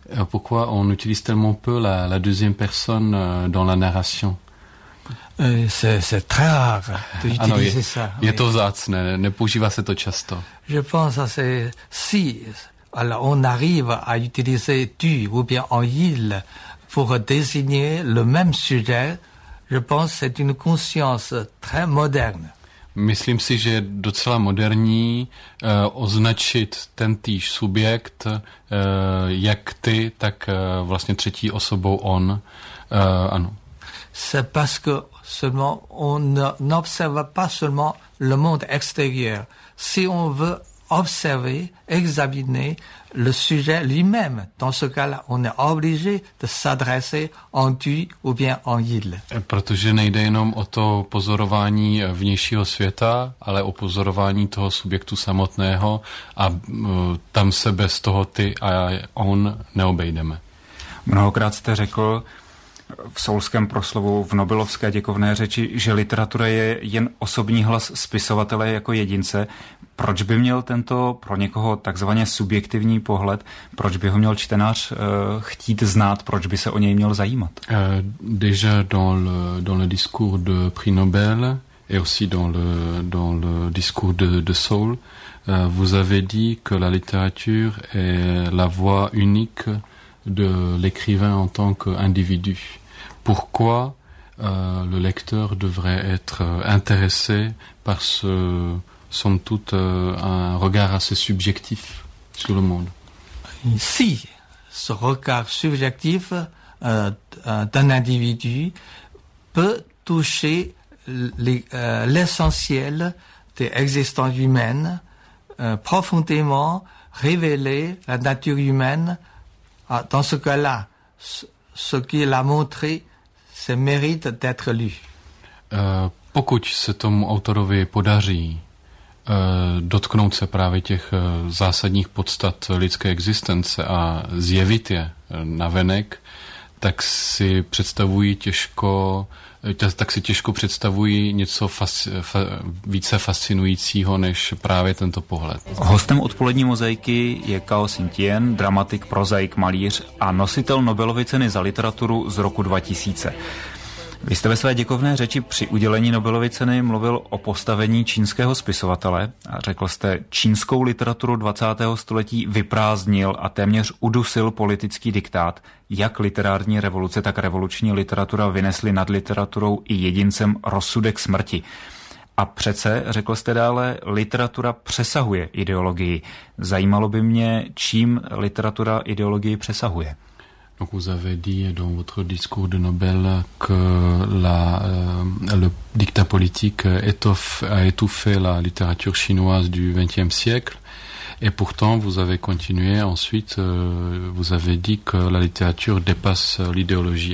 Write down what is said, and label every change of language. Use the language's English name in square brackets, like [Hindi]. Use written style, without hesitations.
[French] Pourquoi on utilise tellement peu la deuxième personne dans la narration. C'est très rare d'utiliser ça. [Czech] Je to vzácné, nepoužívá se to často. [French] Je pense que c'est si alors on arrive à utiliser tu ou bien en il pour désigner le même sujet, je pense que c'est une conscience très moderne. [Czech] Myslím si, že je docela moderní označit tentýž subjekt jak ty, tak vlastně třetí osobou on. Ano. [French] C'est parce que seulement on n'observe pas seulement le monde extérieur. Si on veut observer, examiner le sujet lui-même. Dans ce cas-là, on est obligé de s'adresser en tu ou bien en il. [Czech] Protože nejde jenom o to pozorování vnějšího světa, ale o pozorování toho subjektu samotného a tam se bez toho ty a on neobejdeme. Mnohokrát jste řekl v Soulském proslovu, v Nobelovské děkovné řeči, že literatura je jen osobní hlas spisovatele jako jedince. Proč by měl tento pro někoho takzvaně subjektivní pohled, proč by ho měl čtenář chtít znát, proč by se o něj měl zajímat? [French] Déjà dans le discours de prix Nobel et aussi dans le discours de Soul, vous avez dit que la littérature est la voix unique de l'écrivain en tant qu'individu. Pourquoi le lecteur devrait être intéressé par ce sont toutes un regard assez subjectif sur le monde. Si ce regard subjectif d'un individu peut toucher l'essentiel des existences humaines, profondément révéler la nature humaine, dans ce cas-là, ce qu'il a montré, ça mérite d'être lu. [Czech] Pokud se tomu autorovi podaří dotknout se právě těch zásadních podstat lidské existence a zjevit je navenek, tak si představují těžko představují něco více fascinujícího než právě tento pohled. Hostem odpolední mozaiky je Cao Xintian, dramatik, prozaik, malíř a nositel Nobelovy ceny za literaturu z roku 2000. Vy jste ve své děkovné řeči při udělení Nobelovy ceny mluvil o postavení čínského spisovatele a řekl jste, čínskou literaturu 20. století vyprázdnil a téměř udusil politický diktát. Jak literární revoluce, tak revoluční literatura vynesly nad literaturou i jedincem rozsudek smrti. A přece, řekl jste dále, literatura přesahuje ideologii. Zajímalo by mě, čím literatura ideologii přesahuje. [French] Donc vous avez dit dans votre discours de Nobel que le dictat politique a étouffé la littérature chinoise du XXe siècle et pourtant vous avez continué ensuite, vous avez dit que la littérature dépasse l'idéologie.